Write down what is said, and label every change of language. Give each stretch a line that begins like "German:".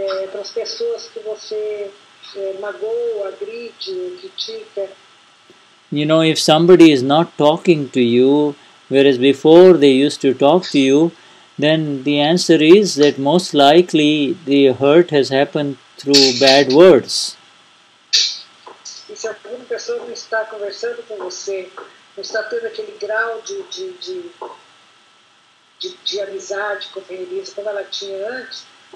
Portuguese: Para as pessoas que você magoa, agride, critica.
English: You know, if somebody is not talking to you, whereas before they used to talk to you, then the answer is that most likely the hurt has happened through bad words.
Portuguese: E se alguma pessoa não está conversando com você, não está tendo aquele grau de amizade, companheirismo, como ela tinha antes,